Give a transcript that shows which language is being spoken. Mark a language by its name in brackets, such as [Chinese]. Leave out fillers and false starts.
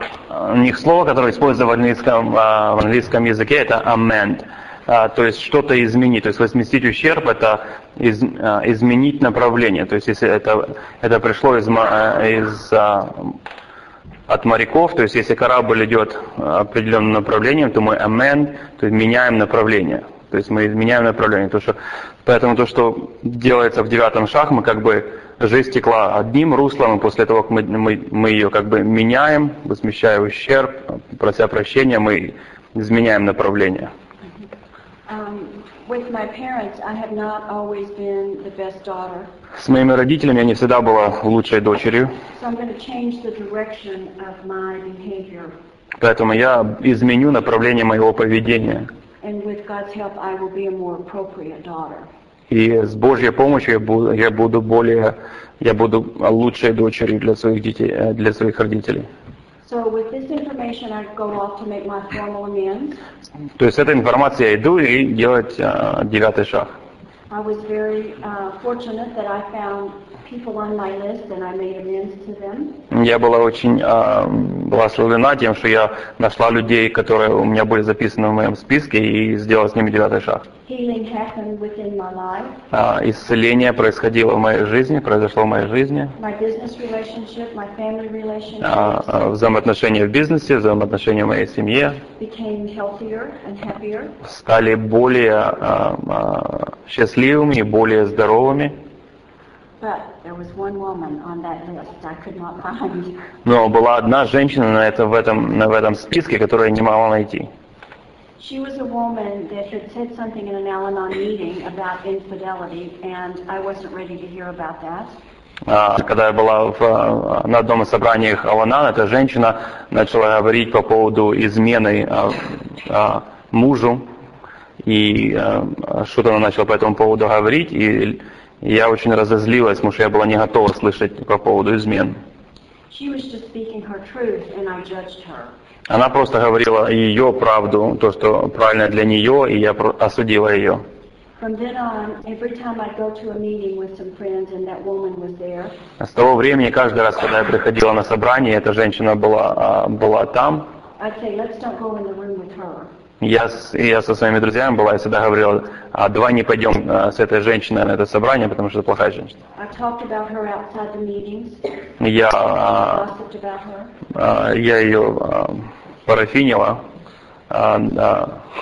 [Russian] У них слово, которое используется в английском языке, это amend, то есть что-то изменить, то есть возместить ущерб, это изменить направление, то есть если это пришло от моряков, то есть если корабль идет определенным направлением, то мы amend, то есть меняем направление. То есть мы изменяем направление. Поэтому то, что делается в девятом шаге, мы как бы жизнь текла одним руслом, и после того, как мы ее как бы меняем, возмещая ущерб, прося прощения, мы изменяем направление. [English] With my parents, I have not always been the best daughter. [Russian] С моими родителями я не всегда была лучшей дочерью. [English] So I'm going to change the direction of my behavior. [Russian] Поэтому я изменю направление моего поведения. [English] And with God's help, I will be a more appropriate daughter. [Russian] И с Божьей помощью я буду лучшей дочерью для своих детей, для своих родителей. [English] So with this information, I go off to make my formal amends. [Russian] То есть с этой информацией я иду и делать девятый шаг. [English] I was very fortunate that I found people on my list and I made amends to them. [Russian] Я была очень благословлена тем, что я нашла людей, которые у меня были записаны в моем списке, и сделала с ними девятый шаг. [English] Healing happened within my life. [Russian] Исцеление происходило в моей жизни, произошло в моей жизни. [English] My business relationship, my family relationship. [Russian] Взаимоотношения в бизнесе, взаимоотношения в моей семье. [English] Became healthier and happier. [Russian] Стали более счастливыми и более здоровыми. [English] But there was one woman on that list I could not find. [Russian] Но была одна женщина в этом списке, которую я не могла найти. [English] She was a woman that had said something in an Al-Anon meeting about infidelity, and I wasn't ready to hear about that. [Russian] Когда я была на одном из собраний Al-Anon, эта женщина начала говорить по поводу измены мужу, и что-то она начала по этому поводу говорить, и я очень разозлилась, потому что я была не готова слышать по поводу измен. [English] She was just speaking her truth, and I judged her. [Russian] Она просто говорила ее правду, то, что правильно для нее, и я осудила ее. [English] From then on, every time I'd go to a meeting with some friends, and that woman was there. [Russian] С того времени каждый раз, когда я приходила на собрание, эта женщина была там. [English] I'd say, let's don't go in the room with her. [Russian] Я со своими друзьями была и всегда говорила, а давай не пойдем с этой женщиной на это собрание, потому что это плохая женщина. [English] I've talked about her outside the meetings.